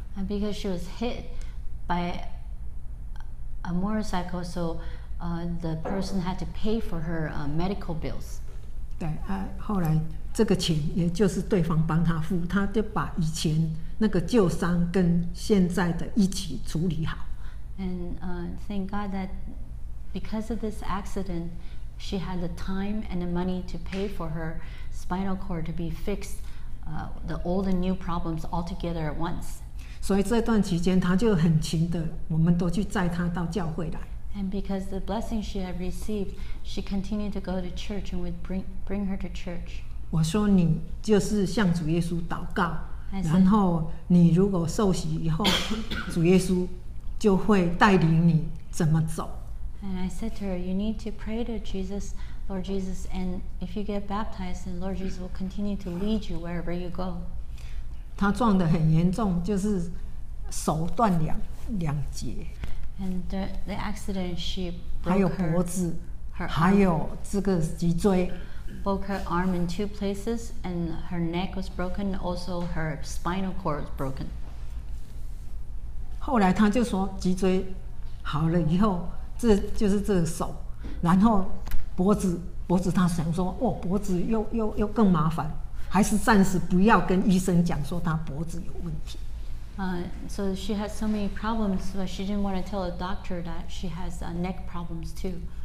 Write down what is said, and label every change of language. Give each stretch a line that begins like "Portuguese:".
English: And because she was hit by a motorcycle, so the person had to pay for her medical bills.
Chinese: 对啊，后来。这个钱也就是对方帮他付，他就把以前那个旧伤跟现在的一起处理好。
English: And thank God that because of this accident, she had the time and the money to pay for her spinal cord to be fixed, the old and new problems all together at once.
Chinese: 所以这段期间，他就很勤的，我们都去载他到教会来。
English: And because the blessing she had received, she continued to go to church and would bring her to church.
Chinese: 我说你就是向主耶稣祷告，然后你如果受洗以后，主耶稣就会带领你怎么走。
English: And I said to her, you need to pray to Jesus, Lord Jesus, and if you get baptized, then Lord Jesus will continue to lead you wherever you go.
Chinese: 她撞得很严重，就是手断两节。
English: And the accident, she broke
Chinese: 还有脖子
English: her
Chinese: arm, 还有这个脊椎
English: broke her arm in two places, and her neck was broken, also her spinal cord was broken.
Chinese: 后来她就说脊椎好了以后这就是这个手然后脖子她想说、哦、脖子 又更麻烦还是暂时不要跟医生讲说她脖子有问题
English: So she has so many problems, but she didn't want to tell the doctor that she has neck problems too.